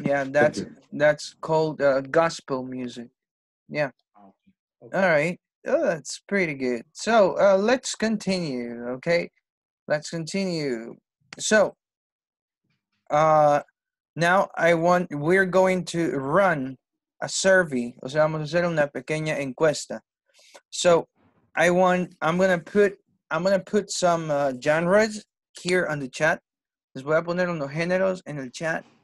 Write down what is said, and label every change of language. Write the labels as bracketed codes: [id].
[en] Yeah, that's called gospel music. Yeah. Okay. All right. Oh, that's pretty good. So let's continue, okay? Let's continue. So now we're going to run a survey. [es] O sea, vamos a hacer una pequeña encuesta. [en] So I'm gonna put some genres here on the chat. [es] Les voy a poner unos géneros en el chat.